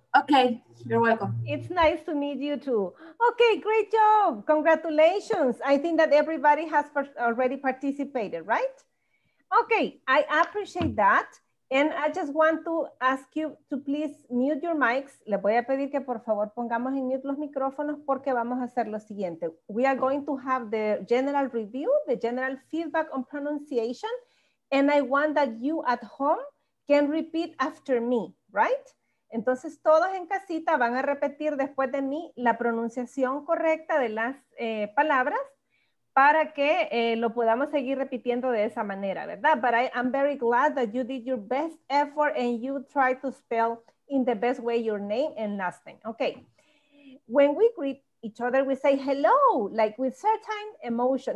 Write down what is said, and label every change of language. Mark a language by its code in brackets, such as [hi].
[en] Okay, you're welcome. It's nice to meet you too. Okay, great job. Congratulations. I think that everybody has already participated, right? Okay, I appreciate that. And I just want to ask you to please mute your mics. [es] Le voy a pedir que por favor pongamos en mute los micrófonos porque vamos a hacer lo siguiente. [en] We are going to have the general review, the general feedback on pronunciation. And I want that you at home can repeat after me, right? [es] Entonces todos en casita van a repetir después de mí la pronunciación correcta de las palabras para que lo podamos seguir repitiendo de esa manera, ¿verdad? [en] But I'm very glad that you did your best effort and you tried to spell in the best way your name and last name. Okay. When we greet each other, we say hello, like with certain emotion.